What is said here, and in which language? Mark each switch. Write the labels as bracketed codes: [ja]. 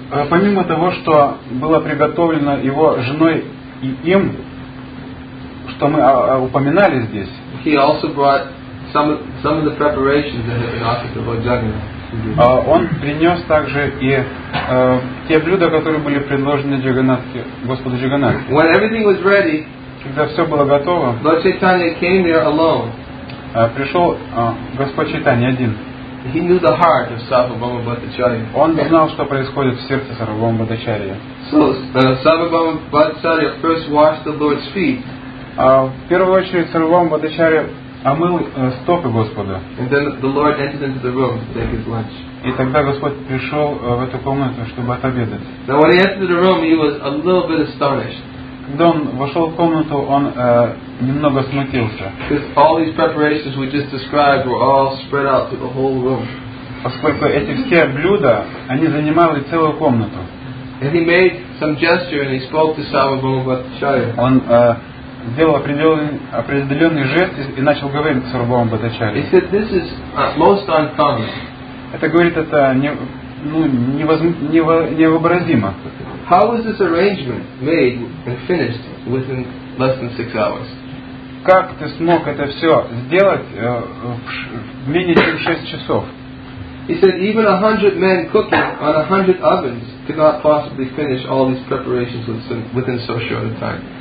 [ru] помимо того, что было приготовлено его женой и им, что мы упоминали здесь, [en] he also brought some of the preparations that had been offered to Lord Jagannath. [ru] Он принес также и те блюда, которые были предложены Джаганнатхе, Господу Джаганнатхе. [en] When everything was ready, [ru] когда все было готово, [en] Lord Chaitanya came there alone. [ru] Пришел Господь Чайтанья один. [en] He knew the heart of Sarvabhauma Bhattacharya. [ru] Он знал, что происходит в сердце Сарвабхаума Бхаттачарьи. [en] So, Sarvabhauma Bhattacharya first washed the Lord's feet. [ru] В первую очередь Сарвабхаума Бхаттачарья омыл стопы Господа. [en] And then the Lord entered into the room to take his lunch. [ru] И тогда Господь пришел в эту комнату, чтобы отобедать. [en] Now when he entered the room, he was a little bit astonished. [ru] Когда он вошел в комнату, он немного смутился. [en] Because all these preparations we just described were all spread out through the whole room. [ru] Поскольку эти все блюда, они занимали целую комнату. [en] And he made some gesture and he spoke to Sarvabhauma Bhattacharya. [ru] Он сделал определенный жест и начал говорить с Сарвабхаумом Бхаттачарьей. [en] He said, this is most uncommon. [ru] Это говорит, это невообразимо. [en] How was this arrangement made and finished within less than 6 hours? [ru] Как ты смог это все сделать в менее чем 6 часов? [en] He said even 100 men cooking on 100 ovens could not possibly finish all these preparations within so short a time.